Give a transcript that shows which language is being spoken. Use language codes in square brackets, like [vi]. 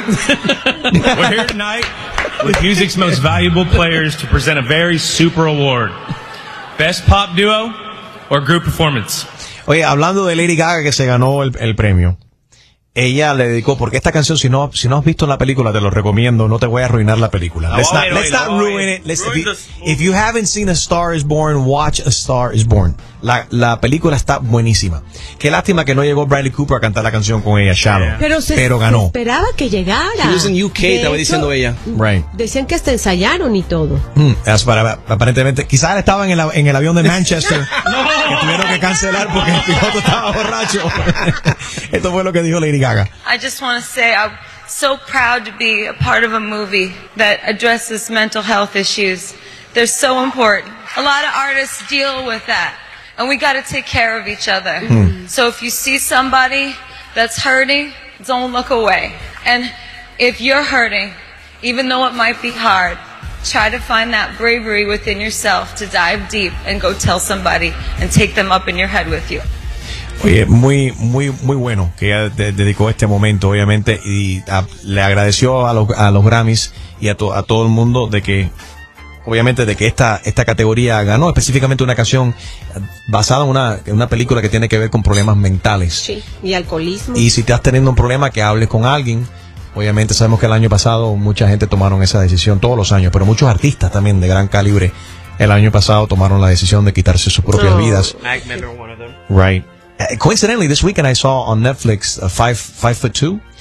[en] We're here tonight with music's most valuable players to present a very super award. Best pop duo or group performance? [es] Oye, hablando de Lady Gaga que se ganó el premio, ella le dedicó, porque esta canción, si no has visto la película, te lo recomiendo, no te voy a arruinar la película. [en] Let's not ruin it. If you haven't seen A Star Is Born, watch A Star Is Born. [es] La película está buenísima. Qué lástima que no llegó Bradley Cooper a cantar la canción con ella, Shallow. [en] Yeah. [es] Pero ganó. Se esperaba que llegara. [en] She was in UK, [es] estaba diciendo ella. [en] Right. [es] Decían que hasta ensayaron y todo. Aparentemente, quizás estaba en el avión de Manchester. No. Que tuvieron que cancelar porque el piloto estaba borracho. Esto fue lo que dijo Lady Gaga. [en] I just want to say I'm so proud to be a part of a movie that addresses mental health issues. They're so important. A lot of artists deal with that. And we got to take care of each other. Mm. So if you see somebody that's hurting, don't look away. And if you're hurting, even though it might be hard, try to find that bravery within yourself to dive deep and go tell somebody and take them up in your head with you. [es] Oye, muy, muy, muy bueno que ella dedicó este momento, obviamente, y le agradeció a los Grammys y a todo el mundo de que, obviamente, de que esta categoría ganó, específicamente una canción basada en una película que tiene que ver con problemas mentales. Sí, y alcoholismo. Y si estás teniendo un problema, que hables con alguien. Obviamente sabemos que el año pasado mucha gente tomaron esa decisión, todos los años, pero muchos artistas también de gran calibre el año pasado tomaron la decisión de quitarse sus propias vidas. [en] Mac Miller, one of them. Right. Coincidentally, this weekend I saw on Netflix Five Foot Two.